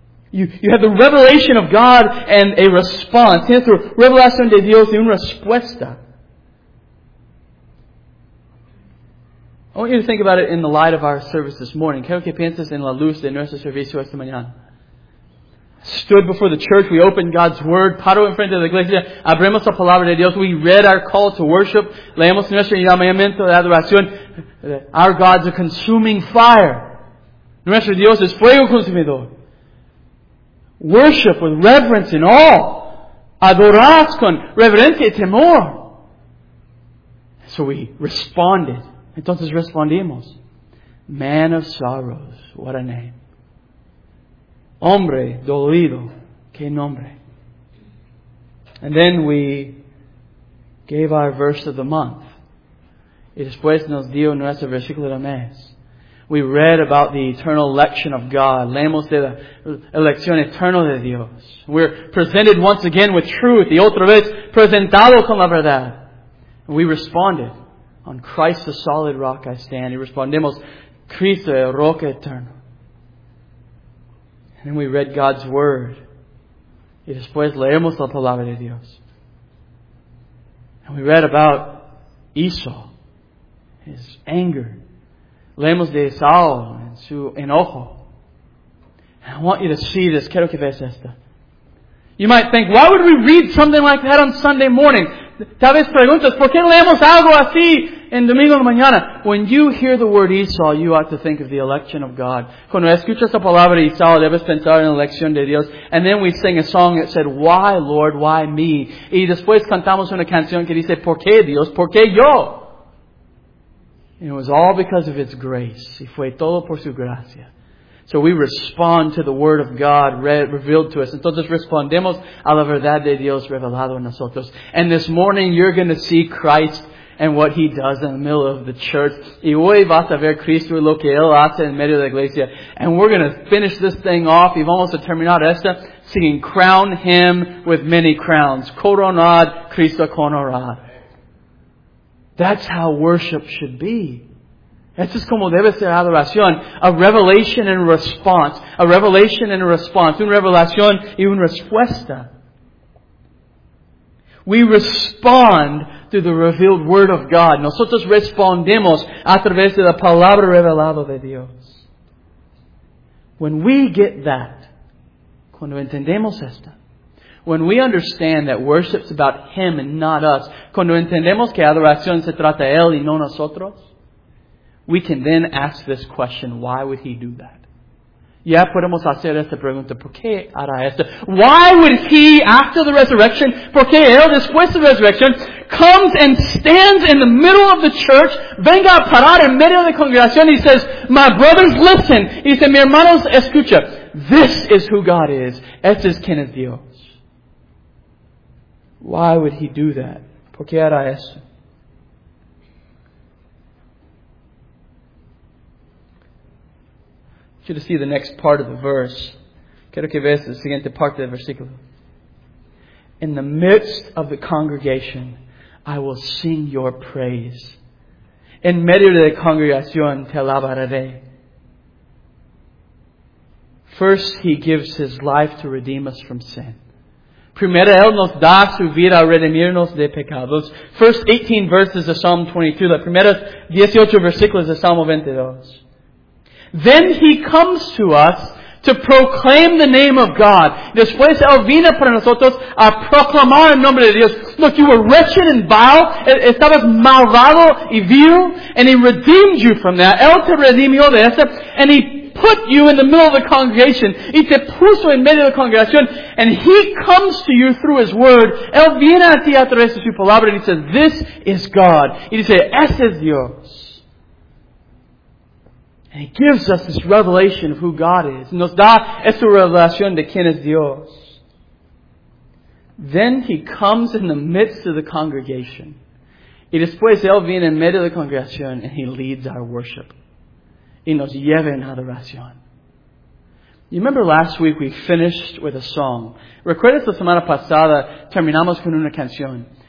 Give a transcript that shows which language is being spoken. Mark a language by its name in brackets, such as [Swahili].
[English] You have the revelation of God and a response. [Spanish] Tienes la revelación de Dios y una respuesta. [English] I want you to think about it in the light of our service this morning. [Spanish] Quiero que pienses en la luz de nuestro servicio esta mañana. [English] Stood before the church, we opened God's Word, [Spanish] paro en frente de la iglesia, abrimos la palabra de Dios, [English] we read our call to worship, [Spanish] leemos nuestro llamamiento de adoración. [English] Our God's a consuming fire. [Spanish] Nuestro Dios es fuego consumidor. [English] Worship with reverence and awe. [Spanish] Adorás con reverencia y temor. [English] So we responded. [Spanish] Entonces respondimos. [English] Man of sorrows, what a name. [Spanish] Hombre dolido, qué nombre. [English] And then we gave our verse of the month. [Spanish] Y después nos dio nuestro versículo de mes. [English] We read about the eternal election of God. [Spanish] Leemos de la elección eterna de Dios. [English] We're presented once again with truth. [Spanish] Y otra vez presentado con la verdad. [English] And we responded. On Christ the solid rock I stand. [Spanish] Y respondemos, Cristo el roca eterno. [English] And we read God's Word. [Spanish] Y después leemos la palabra de Dios. [English] And we read about Esau. His anger. [Spanish] Leemos de Esau en su enojo. [English] And I want you to see this. [Spanish] Quiero que veas esto. [English] You might think, why would we read something like that on Sunday morning? [Spanish] Tal vez preguntas, ¿por qué leemos algo así en domingo de mañana? [English] When you hear the word Esau, you ought to think of the election of God. [Spanish] Cuando escuchas la palabra Esau, debes pensar en la elección de Dios. [English] And then we sing a song that said, why, Lord, why me? [Spanish] Y después cantamos una canción que dice, ¿por qué Dios? ¿Por qué yo? [English] And it was all because of His grace. [Spanish] Y fue todo por su gracia. [English] So we respond to the Word of God revealed to us. [Spanish] Entonces respondemos a la verdad de Dios revelado en nosotros. [English] And this morning you're going to see Christ and what He does in the middle of the church. [Spanish] Y hoy vas a ver Cristo y lo que Él hace en medio de la iglesia. [English] And we're going to finish this thing off. [Spanish] Y vamos a terminar esta singing Crown Him with Many Crowns. Coronad Cristo coronad. [English] That's how worship should be. [Spanish] Eso es como debe ser adoración. [English] A revelation and a response. A revelation and a response. [Spanish] Una revelación y una respuesta. [English] We respond to the revealed Word of God. [Spanish] Nosotros respondemos a través de la palabra revelada de Dios. [English] When we get that, [Spanish] cuando entendemos esto, [English] when we understand that worship's about Him and not us, [Spanish] cuando entendemos que adoración se trata de Él y no nosotros, [English] we can then ask this question, why would He do that? [Spanish] Ya podemos hacer esta pregunta, ¿por qué hará esto? [English] Why would He, after the resurrection, [Spanish] ¿por qué Él, después de la resurrección, [English] comes and stands in the middle of the church, [Spanish] venga a parar en medio de la congregación, [English] He says, my brothers, listen. He said, [Spanish] mi hermanos, escucha. [English] This is who God is. [Spanish] Este es quien es Dios. [English] Why would He do that? [Spanish] ¿Por qué hará esto? [English] I want you to see the next part of the verse. [Spanish] Quiero que veas la siguiente parte del versículo. [English] In the midst of the congregation, I will sing your praise. [Spanish] En medio de la congregación, te alabaré. [English] First, He gives His life to redeem us from sin. [Spanish] Primero, Él nos da su vida a redimirnos de pecados. [English] First 18 verses of Psalm 22. [Spanish] La primera 18 versículos de Salmo 22. [English] Then He comes to us to proclaim the name of God. [Spanish] Después él vino para nosotros a proclamar el nombre de Dios. [English] Look, you were wretched and vile. [Spanish] Estabas malvado y vil. [English] And he redeemed you from that. [Spanish] Él te redimió de eso. [English] And he put you in the middle of the congregation. [Spanish] Y te puso en medio de la congregación. [English] And he comes to you through his word. [Spanish] Él viene a ti a través de su palabra. [English] And he says, this is God. [Spanish] Y dice, ese es Dios. [English] And he gives us this revelation of who God is. [Spanish] Nos da esta revelación de quién es Dios. [English] Then he comes in the midst of the congregation. [Spanish] Y después él viene en medio de la congregación [English] and he leads our worship. [Spanish] Y nos lleva en adoración. [English] You remember last week we finished with a song. [Spanish] ¿Recuerdas la semana pasada? Terminamos con una canción.